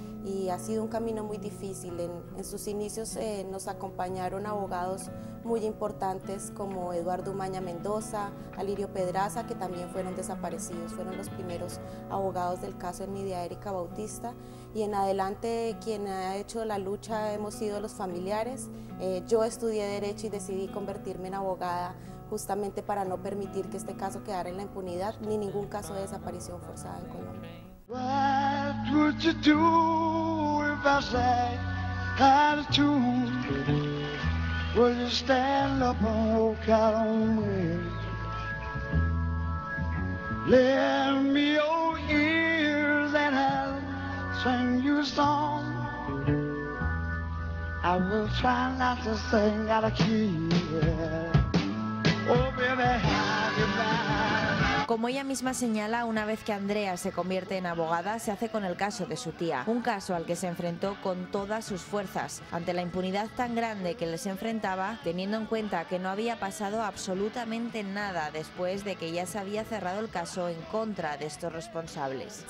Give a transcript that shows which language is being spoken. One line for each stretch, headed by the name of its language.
Spanish: Y ha sido un camino muy difícil. En sus inicios nos acompañaron abogados muy importantes como Eduardo Umaña Mendoza, Alirio Pedraza, que también fueron desaparecidos, fueron los primeros abogados del caso en Nidia Erika Bautista. Y en adelante, quien ha hecho la lucha hemos sido los familiares. Yo estudié Derecho y decidí convertirme en abogada justamente para no permitir que este caso quedara en la impunidad ni ningún caso de desaparición forzada en Colombia.
English: What would you do if I sang out of tune? Would you stand up and walk out on me? Lend me your ears and I'll sing you a song. I will try not to sing out of key. Oh, baby, have you back.
Spanish: Como ella misma señala, una vez que Andrea se convierte en abogada, se hace con el caso de su tía. Un caso al que se enfrentó con todas sus fuerzas, ante la impunidad tan grande que les enfrentaba, teniendo en cuenta que no había pasado absolutamente nada después de que ya se había cerrado el caso en contra de estos responsables.